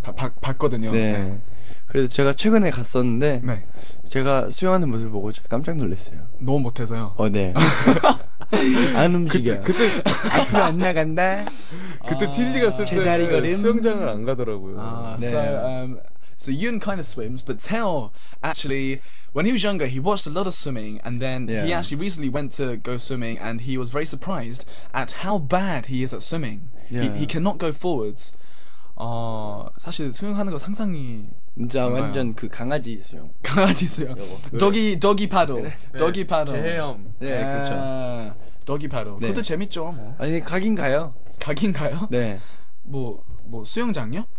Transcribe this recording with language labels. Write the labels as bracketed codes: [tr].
[ko] 봤거든요. 네. 네. 그래서 제가 최근에 갔었는데 네. 제가 수영하는 모습 보고 깜짝 놀랐어요. 너무 못해서요. 어, 네. 안 움직여. 그때 앞으로 안 나간다. 그때 티니지 갔을 때 제자리 걸음. 수영장을 안 가더라고요. 아, 네. [en] So Yoon kind of swims, but Tae-ho actually, when he was younger, he watched a lot of swimming, and then yeah. he actually recently went to go swimming, and he was very surprised at how bad he is at swimming. Yeah. He cannot go forwards. [ko] 사실 수영하는 거 상상이 진짜 완전 그 강아지 수영. 강아지 수영. 도기 도기 파도. 네. 도기 파도. 개헤엄. 네, 네 그렇죠. 도기 파도. 네. 그것도 재밌죠, 뭐. 아니 가긴 가요. 가긴 가요? 네. 뭐 수영장요?